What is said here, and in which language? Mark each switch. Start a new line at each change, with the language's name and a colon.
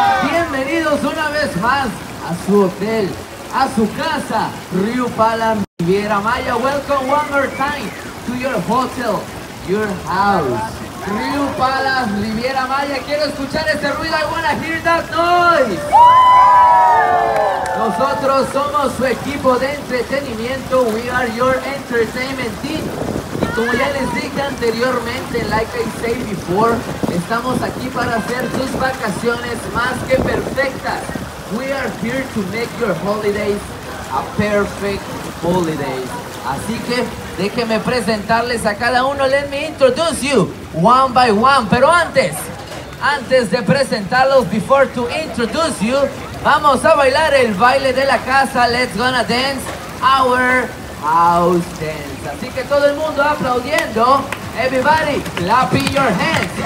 Spanish: Bienvenidos una vez más a su hotel, a su casa, Río Palan Riviera Maya.
English: Welcome one more time to your hotel, your house, Río Palan Riviera Maya.
Spanish: Quiero escuchar ese ruido.
English: I wanna hear that noise.
Spanish: Nosotros somos su equipo de entretenimiento.
English: We are your entertainment team.
Spanish: Y como ya les dije anteriormente,
English: like I say before,
Spanish: estamos aquí para hacer sus vacaciones más que perfectas.
English: We are here to make your holidays a perfect holiday.
Spanish: Así que déjenme presentarles a cada uno.
English: Let me introduce you one by one.
Spanish: Pero antes de presentarlos,
English: before to introduce you,
Spanish: vamos a bailar el baile de la casa.
English: Let's gonna dance our house dance.
Spanish: Así que todo el mundo aplaudiendo.
English: Everybody clapping your hands.